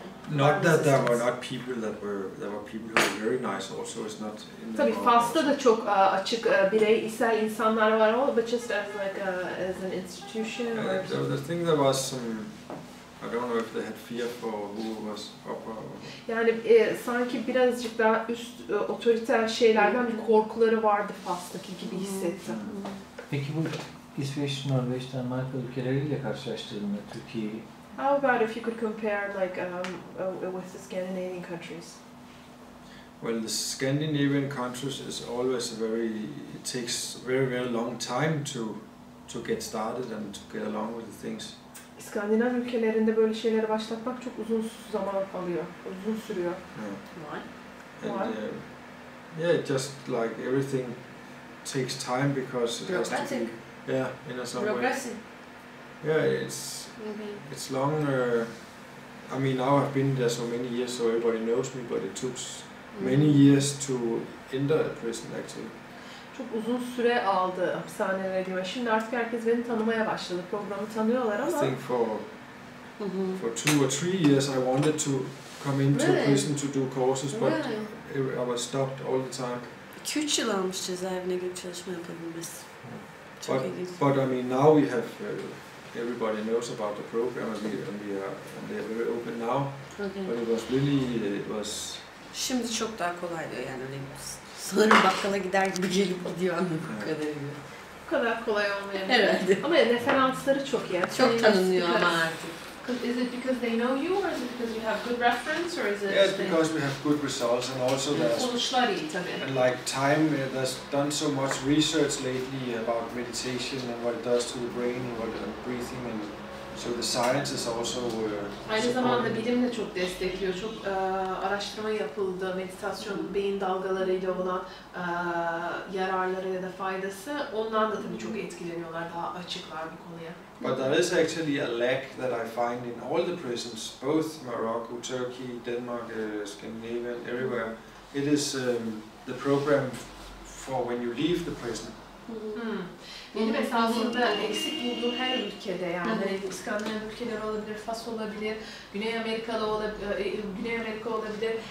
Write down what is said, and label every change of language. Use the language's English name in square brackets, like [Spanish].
[English] Not that there were not people that were there were people who were very nice also it's not in [Turkish] tabii Fas'ta da çok açık bireysel insanlar var ama [English] but just as like as an institution or the thing there was some I don't know if they had fear for who was upper [Turkish] yani sanki birazcık daha üst otoriter şeylerden bir korkuları vardı Fas'taki gibi hissettim. Peki bu İsveç, Norveç, Danimarka ülkeleriyle karşılaştırdığında Türkiye'yi [English] how about if you could compare like with the Scandinavian countries? Well, the Scandinavian countries is always a very it takes very very long time to get started and to get along with the things. [Turkish] İskandinav ülkelerinde böyle şeyleri başlatmak çok uzun zaman alıyor. Uzun sürüyor. [English] Yeah. Why? And, yeah, just like everything takes time because it has to be, yeah, in a some way. Yeah, it's mm-hmm. it's long. I mean, now I've been there so many years, so everybody knows me. But it took mm-hmm. many years to enter a prison, actually. [Turkish] Çok uzun süre aldı hapishanelere girme. Şimdi artık herkes beni tanımaya başladı. Programı tanıyorlar ama. [English] I think for two or three years I wanted to come into really? Prison to do courses, but really? I was stopped all the time. [Turkish] 2-3 yıl almış cezaevine girip çalışma yapabilmesi. [English] But I mean, now we have. Everybody knows about the program, and they are very open now. Okay. But it was really, it was. [Turkish] Şimdi çok daha kolay diyor yani öyle sanırım bakkala gider gibi gelip gidiyor anlık bu kadarıyla. Bu kadar kolay olmayabilir. Herhalde. Ama referansları çok iyi. Çok tanınıyor ama artık. [English] Is it because they know you, or is it because you have good reference, or is it? Yeah, it's because we have good results, and also there's. [Turkish] Sonuçları tabii. [English] And like time, there's done so much research lately about meditation and what it does to the brain and what it breathing and so the science is also. [Turkish] Aynı zamanda bilim de çok destekliyor. Çok araştırma yapıldı meditasyon beyin dalgalarıyla olan yararları ya da faydası. Ondan da tabii çok etkileniyorlar, daha açıklar bu konuya. [English] But there is actually a lack that I find in all the prisons, both Morocco, Turkey, Denmark, Scandinavia, everywhere. It is the program for when you leave the prison. [Turkish] Benim esasında eksik bulduğum her ülkede yani İskandinav ülkeleri olabilir, Fas olabilir, Güney Amerika olabilir.